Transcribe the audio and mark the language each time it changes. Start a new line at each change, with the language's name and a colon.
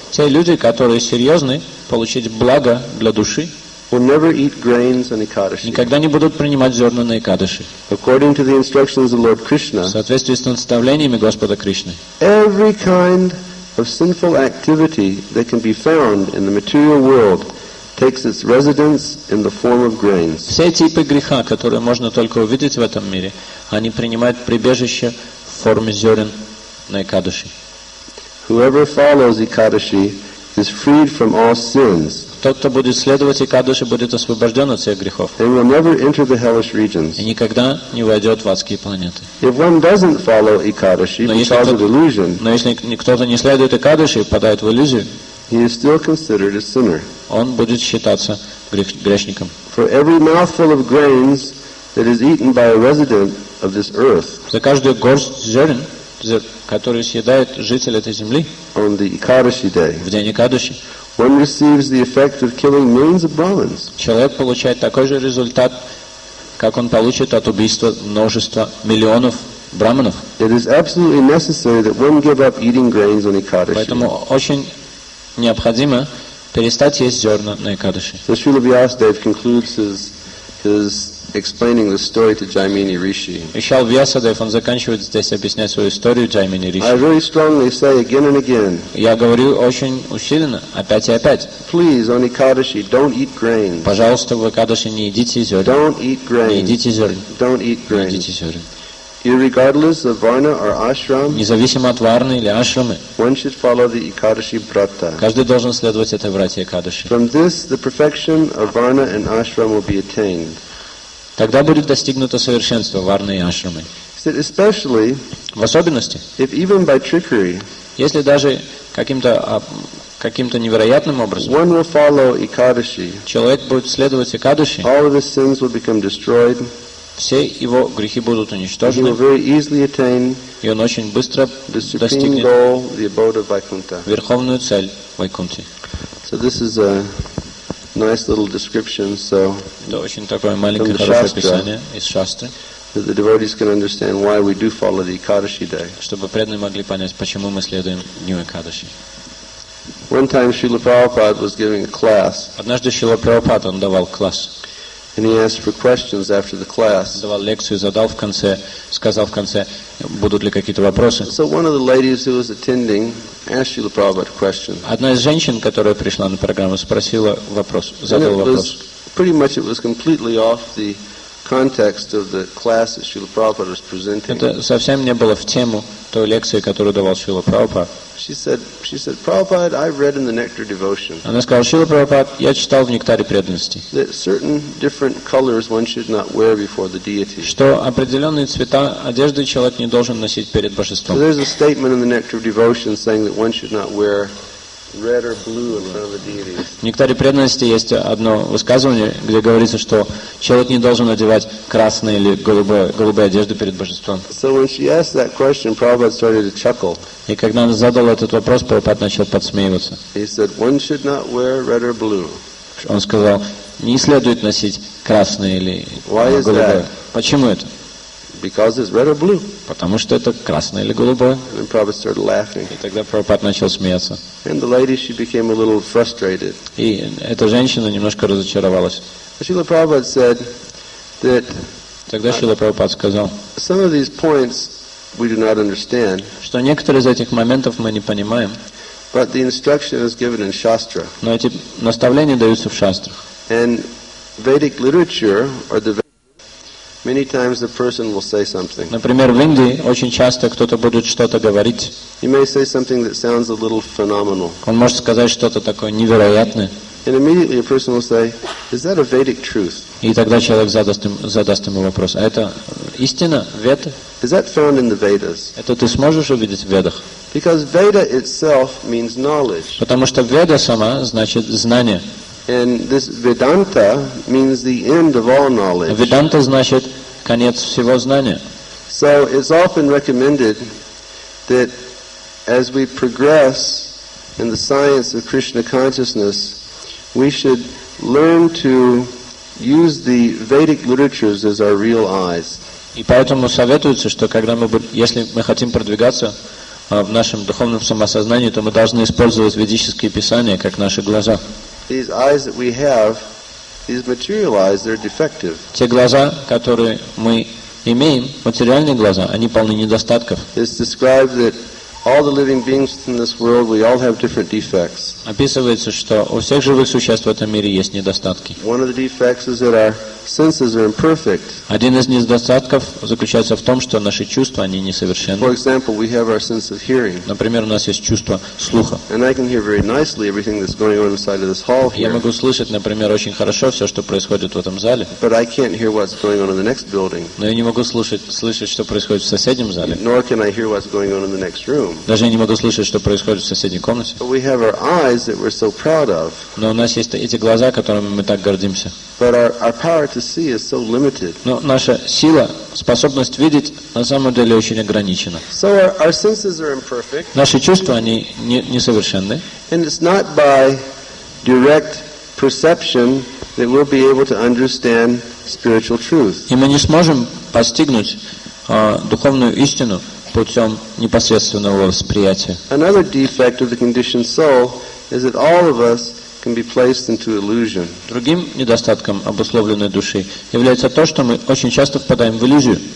Russian: те люди, которые серьезны получить благо для души,
English: will never eat grains on Ekadashi.
Russian: Никогда не будут принимать зерна на Экадаши.
English: According to the instructions of Lord Krishna,
Russian: в соответствии с наставлениями Господа Кришны,
English: every kind of sinful activity that can be found in the material world takes its residence in the form of grains.
Russian: Все типы греха, которые можно только увидеть в этом мире, они принимают прибежище в форме зерен на Экадаши.
English: Whoever follows Ekadashi is freed from all sins.
Russian: Тот, кто будет следовать Экадаши, будет освобожден от всех грехов.
English: And will never enter the hellish regions.
Russian: И никогда не войдет в адские планеты.
English: If one doesn't follow Ekadashi, because of illusion,
Russian: но если кто-то не следует Экадаши, впадает в иллюзию,
English: he is still considered a sinner.
Russian: Он будет считаться грешником.
English: For every mouthful of grains that is eaten by a resident of this earth,
Russian: за каждую горсть зерен, которую съедает житель этой земли,
English: on the Ekadashi day,
Russian: в день Экадаши,
English: one receives the effect of killing millions of brahmins.
Russian: Человек получает такой же результат, как он получит от убийства множества миллионов брахманов.
English: It is absolutely necessary that one give up eating grains on Ekadashi.
Russian: Поэтому очень необходимо перестать есть зерна на Экадаши.
English: So Srila Vyasadeva concludes his explaining the story to Jaimini Rishi.
Russian: Ишал Вьясадев, он заканчивает здесь объяснять свою историю Джаймини Риши.
English: I really strongly say again and again.
Russian: Я говорю очень усиленно, опять и опять.
English: Please, on Ekadashi, don't eat grains.
Russian: Пожалуйста, в Экадаши не едите зерен.
English: Don't eat grains.
Russian: Не едите зерен.
English: Don't eat grains.
Russian: Не едите зерен.
English: Irregardless of varna or ashram,
Russian: независимо от варны или ашрамы,
English: one should follow the Ekadashi vrata.
Russian: Каждый должен следовать этой врате Экадаши.
English: From this, the perfection of varna and ashram will be attained.
Russian: Тогда будет достигнуто совершенство варны и ашрамы.
English: Especially,
Russian: в особенности,
English: if even by trickery,
Russian: если даже каким-то невероятным образом,
English: one will follow Ekadashi,
Russian: человек будет следовать Экадаши,
English: all of his sins will become destroyed,
Russian: все его грехи будут уничтожены,
English: he will very easily attain,
Russian: и он очень быстро
English: the supreme
Russian: достигнет
English: goal, the abode of Vaikuntha.
Russian: Верховную цель Вайкунти.
English: So this is a nice little description, so
Russian: это очень такое маленькое хорошее описание из шастры,
English: that the devotees can understand why we do follow the Ekadashi day.
Russian: Чтобы преданные могли понять, почему мы следуем дню Экадаши.
English: One time Srila Prabhupada was giving a class.
Russian: Однажды Шрила Прабхупада давал класс.
English: And he asked for questions after the class.
Russian: Давал лекцию, задал в конце, сказал в конце, будут ли какие-то вопросы.
English: So one of the ladies who was attending asked Srila Prabhupada a question.
Russian: Одна из женщин, которая пришла на программу, спросила вопрос, задала вопрос.
English: Pretty much it was completely off the context of the class that Srila Prabhupada was presenting.
Russian: Это совсем не было в тему той лекции, которую давал Шрила Прабхупад.
English: She said, Prabhupada, I've read in the Nectar Devotion.
Russian: Она сказала, Шрила Прабхупад, я читал в Нектаре Преданности.
English: That certain different colors one should not wear before the deity.
Russian: Что определенные цвета одежды человек не должен носить перед божеством.
English: So there's a statement in the Nectar Devotion saying that one should not wear red or blue in front of the deities.
Russian: В Нектаре Преданности есть одно высказывание, где говорится, что человек не должен одевать красные или голубые одежды перед божеством.
English: So when she asked that question, Prabhupada started to chuckle.
Russian: И когда она задала этот вопрос, Прабхупад начал подсмеиваться.
English: He said, one should not wear red or blue.
Russian: Он сказал, не следует носить красные или голубые. Почему это?
English: Because it's red or blue.
Russian: Потому что это красное или голубое.
English: And then Prabhupada started laughing.
Russian: И тогда Прабхупад начал смеяться.
English: And the lady, she became a little frustrated.
Russian: И эта женщина немножко разочаровалась.
English: Srila Prabhupada said that.
Russian: Тогда Шрила Прабхупад сказал.
English: Some of these points we do not understand.
Russian: Что некоторые из этих моментов мы не понимаем.
English: But the instruction is given in Shastra.
Russian: Но эти наставления даются в Шастрах.
English: And Vedic literature or the many times a person will say something.
Russian: Например, в Индии очень часто кто-то будет что-то говорить.
English: He may say something that sounds a little phenomenal.
Russian: Он может сказать что-то такое невероятное.
English: And immediately a person will say, "Is that a Vedic truth?"
Russian: И тогда человек задаст ему вопрос: а это истина, Вед?
English: Is that found in the Vedas?
Russian: Это ты сможешь увидеть в Ведах?
English: Because Veda itself means knowledge.
Russian: Потому что Веда сама значит знание.
English: And this Vedanta means the end of all knowledge.
Russian: Vedanta значит конец всего знания.
English: So it's often recommended that as we progress in the science of Krishna consciousness, we should learn to use the Vedic literatures as our real eyes.
Russian: И поэтому советуется, что если мы хотим продвигаться в нашем духовном самосознании, то мы должны использовать ведические писания как наши глаза.
English: These eyes that we have, these material eyes, they're defective.
Russian: Те глаза, которые мы имеем, материальные глаза, они полны недостатков.
English: It's described that all the living beings in this world, we all have different defects.
Russian: Описывается, что у всех живых существ в этом мире есть недостатки.
English: One of the defects is that our senses are imperfect.
Russian: Один из недостатков заключается в том, что наши чувства, они несовершенны.
English: For example, we have our sense of hearing.
Russian: Например, у нас есть чувство слуха.
English: And I can hear very nicely everything that's going on inside of this hall here.
Russian: Я могу слышать, например, очень хорошо все, что происходит в этом зале.
English: But I can't hear what's going on in the next building.
Russian: Но я не могу слышать, что происходит в соседнем зале.
English: Nor can I hear what's going on in the next room.
Russian: Даже я не могу слышать, что происходит в соседней комнате.
English: But we have our eyes that we're so proud of.
Russian: Но у нас есть эти глаза, которыми мы так гордимся.
English: But our power to see is so limited.
Russian: Но наша сила, способность видеть, на самом деле очень ограничена.
English: So our senses are imperfect.
Russian: Наши чувства, они несовершенны.
English: And it's not by direct perception that we'll be able to understand spiritual truth.
Russian: И мы не сможем постигнуть духовную истину путем непосредственного восприятия.
English: Another defect of the conditioned soul is that all of us can be placed into illusion.
Russian: Другим недостатком обусловленной души является то, что мы очень часто впадаем в иллюзию.